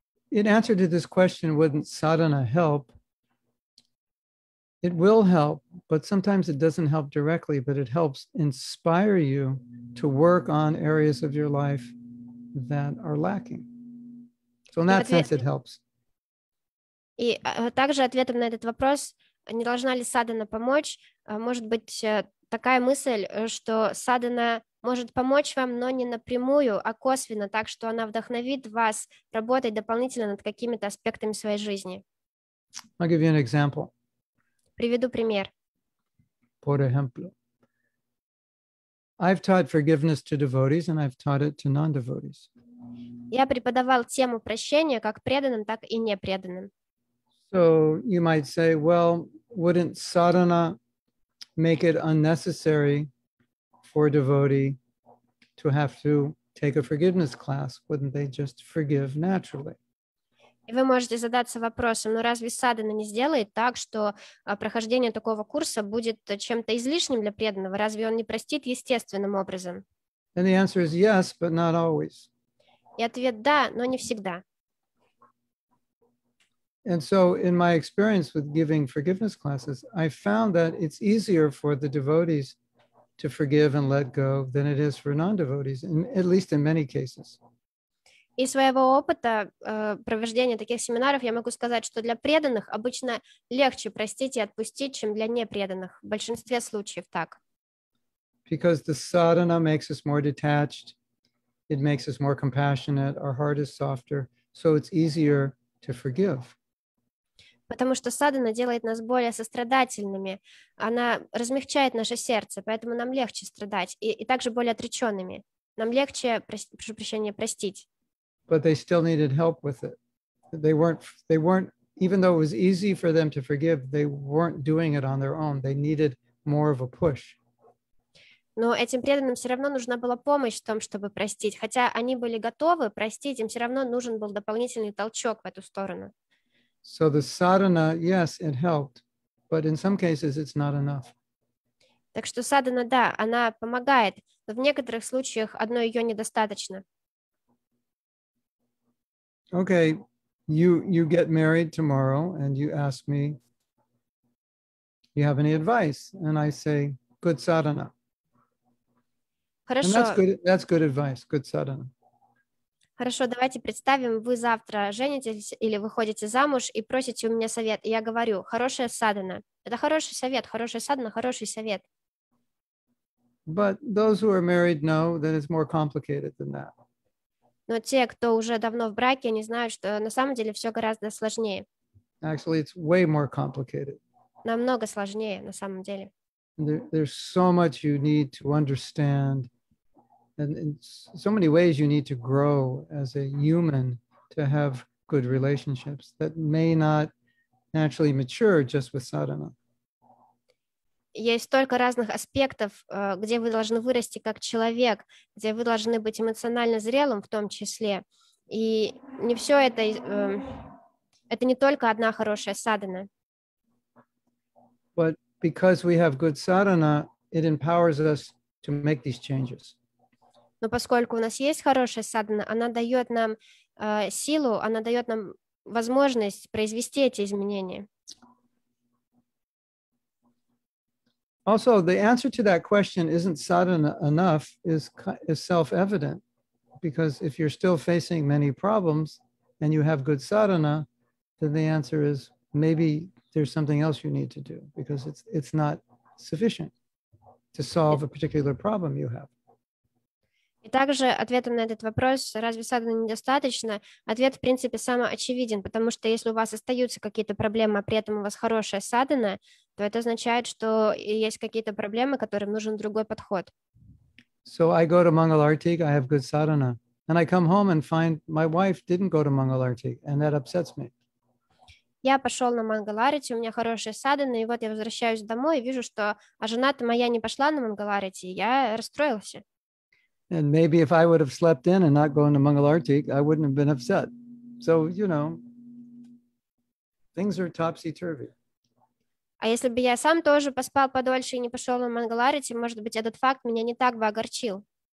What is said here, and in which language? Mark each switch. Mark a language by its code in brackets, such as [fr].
[en] In answer to this question, wouldn't sadhana help? It will help, but sometimes it doesn't help directly, but it helps inspire you to work on areas of your life that are lacking. So in that sense, it helps. [ru] И также ответом на этот вопрос, не должна ли садхана помочь, может быть такая мысль, что садхана может помочь вам, но не напрямую, а косвенно, так что она вдохновит вас работать дополнительно над какими-то аспектами своей жизни. [en] I'll give you an example. [ru] Приведу пример. [es] Por ejemplo, [en] I've taught forgiveness to devotees and I've taught it to non-devotees. [ru] Я преподавал тему прощения как преданным, так и непреданным. [en] So you might say, well, wouldn't sadhana make it unnecessary for a devotee to have to take a forgiveness class? Wouldn't they just forgive naturally? [ru] И вы можете задаться вопросом, ну разве садхана не сделает так, что прохождение такого курса будет чем-то излишним для преданного? Разве он не простит естественным образом? [en] And the answer is yes, but not always. [ru] И ответ да, но не всегда. [en] And so in my experience with giving forgiveness classes, I found that it's easier for the devotees to forgive and let go than it is for non-devotees, at least in many cases. [ru] Из своего опыта провождения таких семинаров я могу сказать, что для преданных обычно легче простить и отпустить, чем для непреданных. В большинстве случаев так. [en] Because the sadhana makes us more detached, it makes us more compassionate, our heart is softer, so it's easier to forgive. [ru] Потому что садхана делает нас более сострадательными, она размягчает наше сердце, поэтому нам легче страдать, и также более отреченными. Нам легче, прошу прощения, простить. [en] But they still needed help with it. They weren't, even though it was easy for them to forgive, they weren't doing it on their own. They needed more of a push. [ru] Но этим преданным все равно нужна была помощь в том, чтобы простить. Хотя они были готовы простить, им все равно нужен был дополнительный толчок в эту сторону. [en] So the sadhana, yes, it helped, but in some cases it's not enough. [ru] Так что садхана, да, она помогает, но в некоторых случаях одной ее недостаточно. [en] Okay, you get married tomorrow and you ask me, do you have any advice? And I say, good sadhana. [ru] Хорошо. [en] And that's good advice, good sadhana. [ru] Хорошо, давайте представим, вы завтра женитесь или выходите замуж и просите у меня совет. И я говорю, хорошая садхана. Это хороший совет, хорошая садхана, хороший совет. [en] But those who are married know that it's more complicated than that. [ru] Но те, кто уже давно в браке, они знают, что на самом деле все гораздо сложнее. [en] Actually, it's way more complicated. [ru] Намного сложнее, на самом деле. [en] There's so much you need to understand. And in so many ways you need to grow as a human to have good relationships that may not naturally mature just with sadhana. [ru] Есть столько разных аспектов, где вы должны вырасти как человек, где вы должны быть эмоционально зрелым в том числе. И не все это не только одна хорошая садхана. [en] But because we have good sadhana, it empowers us to make these changes. [ru] Но поскольку у нас есть хорошая садхана, она дает нам силу, она дает нам возможность произвести эти изменения. [en] Also, the answer to that question, isn't sadhana enough, is self-evident. Because if you're still facing many problems and you have good sadhana, then the answer is maybe there's something else you need to do because it's not sufficient to solve a particular problem you have. [ru] И также ответом на этот вопрос, разве садхана недостаточно, ответ, в принципе, самоочевиден, потому что если у вас остаются какие-то проблемы, а при этом у вас хорошая садхана, то это означает, что есть какие-то проблемы, которым нужен другой подход. [en] So I go to Mangalartik, I have good sadhana, and I come home and find my wife didn't go to Mangalartik, and that upsets me. [ru] Я пошел на Мангаларити, у меня хорошая садхана, и вот я возвращаюсь домой и вижу, что а жена-то моя не пошла на Мангаларити, я расстроился. [en] And maybe if I would have slept in and not gone to Mangalartik, I wouldn't have been upset. So, you know, things are topsy-turvy. [ru] А если бы я сам тоже поспал подольше и не пошел на Мангаларити, может быть, этот факт меня не так бы огорчил.